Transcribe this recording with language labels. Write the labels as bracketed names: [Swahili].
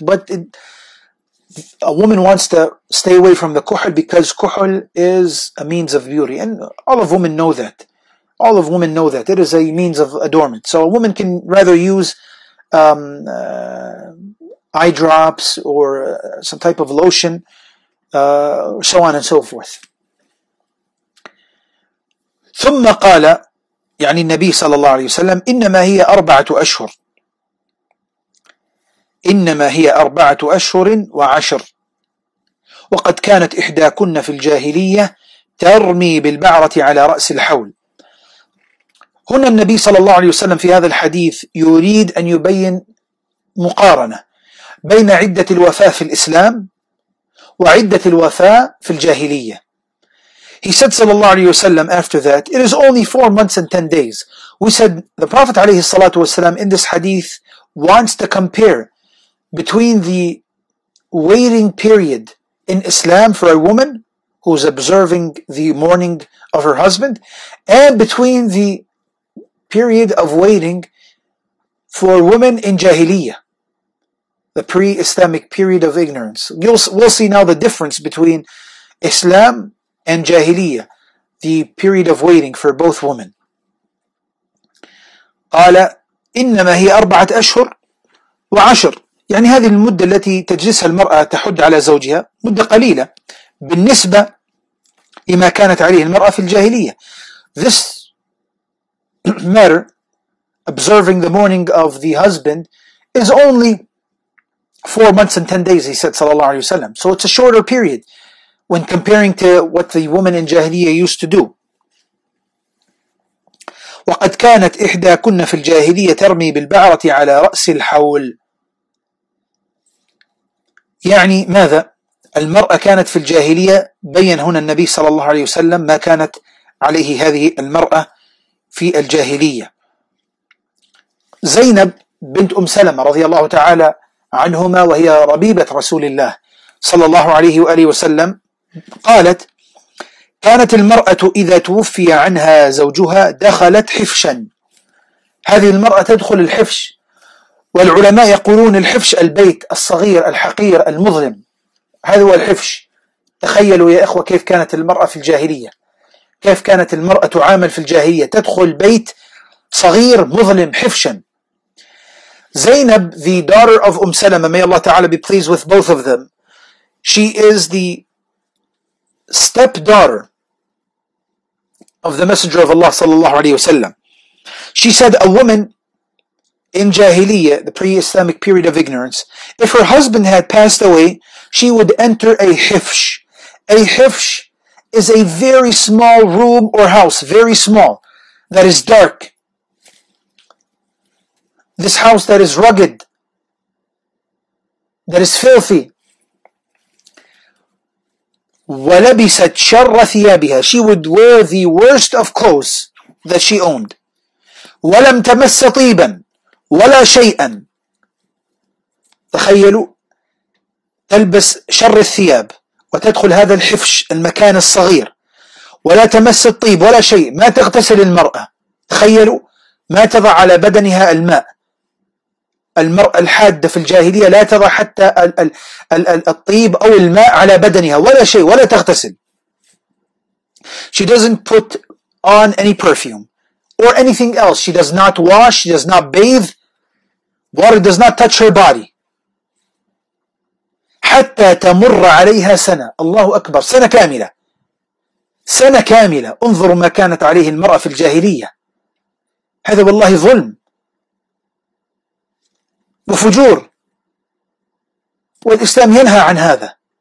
[English] But a woman wants to stay away from the kuhl because kuhl is a means of beauty. And all of women know that. All of women know that. It is a means of adornment. So a woman can rather use eye drops or some type of lotion, so on and so forth. [Arabic] ثم قال يعني النبي صلى الله عليه وسلم إنما هي أربعة أشهر إنما هي أربعة أشهر وعشر وقد كانت إحداكن في الجاهلية ترمي بالبعرة على رأس الحول. هنا النبي صلى الله عليه وسلم في هذا الحديث يريد أن يبين مقارنة بين عدة الوفاة في الإسلام وعدة الوفاة في الجاهلية. [English] He said صلى الله عليه وسلم after that, it is only 4 months and 10 days. We said the Prophet عليه الصلاة والسلام in this hadith wants to compare between the waiting period in Islam for a woman who is observing the mourning of her husband and between the period of waiting for women in Jahiliyyah, the pre-Islamic period of ignorance. We'll see now the difference between Islam and Jahiliyyah, the period of waiting for both women. [Arabic] قال إنما هي أربعة أشهر وعشر يعني هذه المدة التي تجلسها المرأة تحد على زوجها مدة قليلة بالنسبة لما كانت عليه المرأة في الجاهلية. [English] This matter, observing the mourning of the husband, is only 4 months and 10 days, he said صلى الله عليه وسلم. So it's a shorter period when comparing to what the woman in Jahiliyyah used to do. [Arabic] وقد كانت إحدى كنا في الجاهلية ترمي بالبعرة على رأس الحول يعني ماذا؟ المرأة كانت في الجاهلية بيّن هنا النبي صلى الله عليه وسلم ما كانت عليه هذه المرأة في الجاهلية. زينب بنت أم سلمة رضي الله تعالى عنهما وهي ربيبة رسول الله صلى الله عليه وآله وسلم قالت كانت المرأة إذا توفي عنها زوجها دخلت حفشا. هذه المرأة تدخل الحفش والعلماء يقولون الحفش البيت الصغير الحقير المظلم هذا هو الحفش. تخيلوا يا إخوة كيف كانت المرأة في الجاهلية كيف كانت المرأة تعامل في الجاهلية تدخل بيت صغير مظلم حفشا. [English] زينب the daughter of أم سلمة may Allah Ta'ala be pleased with both of them, she is the stepdaughter of the Messenger of Allah صلى الله عليه وسلم. She said a woman in جاهلية the pre-Islamic period of ignorance, if her husband had passed away she would enter a حفش. A حفش is a very small room or house, very small, that is dark. This house that is rugged, that is filthy. [Arabic] وَلَبِسَتْ شَرَّ ثِيَابِهَا [English] She would wear the worst of clothes that she owned. [Arabic] وَلَمْ تَمَسَّ طِيبًا وَلَا شَيْئًا تخيلوا تلبس شر الثياب وتدخل هذا الحفش المكان الصغير ولا تمس الطيب ولا شيء ما تغتسل المرأة تخيلوا ما تضع على بدنها الماء. المرأة الحادة في الجاهلية لا تضع حتى الطيب أو الماء على بدنها ولا شيء ولا تغتسل. [English] She doesn't put on any perfume or anything else. She does not wash, she does not bathe. Water does not touch her body. [Arabic] حتى تمر عليها سنة الله أكبر سنة كاملة سنة كاملة انظروا ما كانت عليه المرأة في الجاهلية هذا والله ظلم وفجور والإسلام ينهى عن هذا.